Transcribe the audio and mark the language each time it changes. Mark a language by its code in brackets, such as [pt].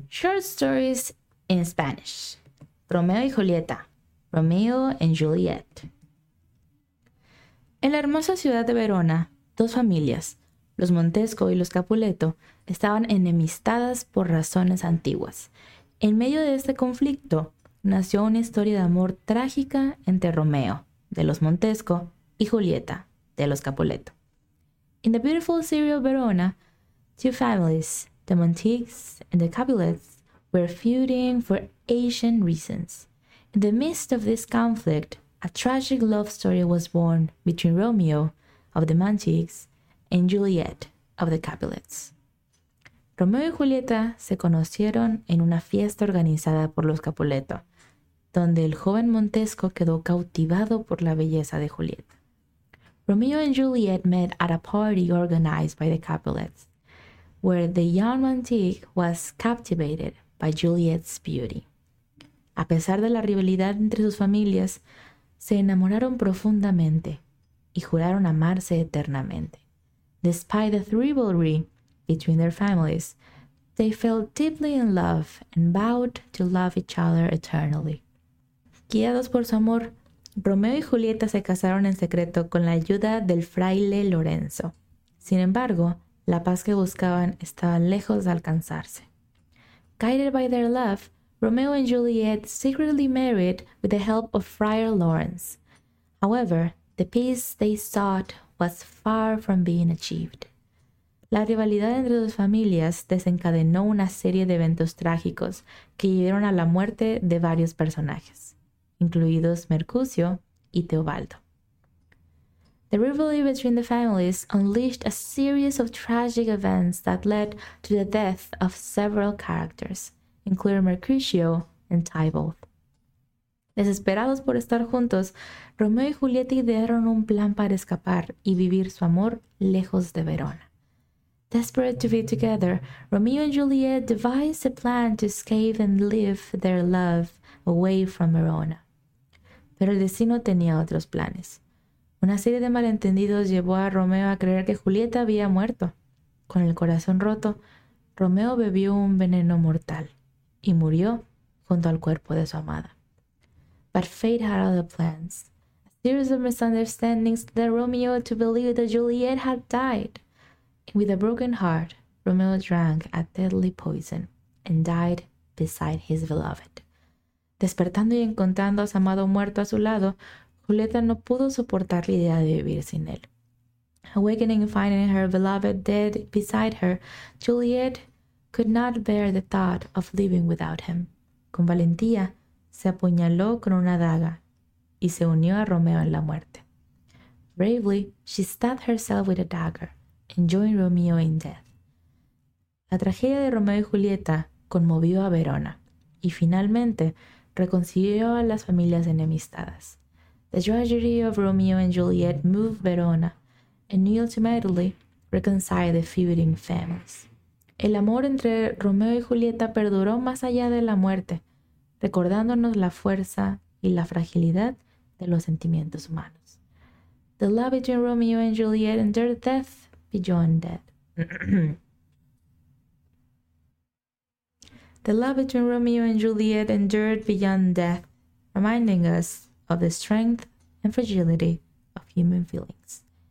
[en] Short stories in Spanish. Romeo y Julieta. Romeo and Juliet. [es] En la hermosa ciudad de Verona, dos familias, los Montesco y los Capuleto, estaban enemistadas por razones antiguas. En medio de este conflicto, nació una historia de amor trágica entre Romeo, de los Montesco, y Julieta, de los Capuleto. [en] In the beautiful city of Verona, two families, the Montiques and the Capulets, were feuding for ancient reasons. In the midst of this conflict, a tragic love story was born between Romeo of the Montiques and Juliet of the Capulets. [es] Romeo y Julieta se conocieron en una fiesta organizada por los Capuleto, donde el joven Montesco quedó cautivado por la belleza de Julieta. [en] Romeo and Juliet met at a party organized by the Capulets, where the young Montique was captivated by Juliet's beauty. [es] A pesar de la rivalidad entre sus familias, se enamoraron profundamente y juraron amarse eternamente. [en] Despite the rivalry between their families, they fell deeply in love and vowed to love each other eternally. [es] Guiados por su amor, Romeo y Julieta se casaron en secreto con la ayuda del fraile Lorenzo. Sin embargo, la paz que buscaban estaba lejos de alcanzarse. [en] Guided by their love, Romeo and Juliet secretly married with the help of Friar Lawrence. However, the peace they sought was far from being achieved. [es] La rivalidad entre dos familias desencadenó una serie de eventos trágicos que llevaron a la muerte de varios personajes, incluidos Mercutio y Teobaldo. [en] The rivalry between the families unleashed a series of tragic events that led to the death of several characters, including Mercutio and Tybalt. [es] Desesperados por estar juntos, Romeo y Julieta idearon un plan para escapar y vivir su amor lejos de Verona. [en] Desperate to be together, Romeo and Juliet devised a plan to escape and live their love away from Verona. [es] Pero el destino tenía otros planes. Una serie de malentendidos llevó a Romeo a creer que Julieta había muerto. Con el corazón roto, Romeo bebió un veneno mortal y murió junto al cuerpo de su amada. [en] But fate had other plans. A series of misunderstandings led Romeo to believe that Juliet had died. With a broken heart, Romeo drank a deadly poison and died beside his beloved. [es] Despertando y encontrando a su amado muerto a su lado, Julieta no pudo soportar la idea de vivir sin él. [en] Awakening and finding her beloved dead beside her, Juliet could not bear the thought of living without him. [es] Con valentía, se apuñaló con una daga y se unió a Romeo en la muerte. [en] Bravely, she stabbed herself with a dagger and joined Romeo in death. [es] La tragedia de Romeo y Julieta conmovió a Verona y finalmente reconcilió a las familias enemistadas. [en] The tragedy of Romeo and Juliet moved Verona and ultimately reconciled the feuding families. [es] El amor entre Romeo y Julieta perduró más allá de la muerte, recordándonos la fuerza y la fragilidad de los sentimientos humanos. [en] The love between Romeo and Juliet endured death beyond death. The love between Romeo and Juliet endured beyond death, reminding us of the strength and fragility of human feelings.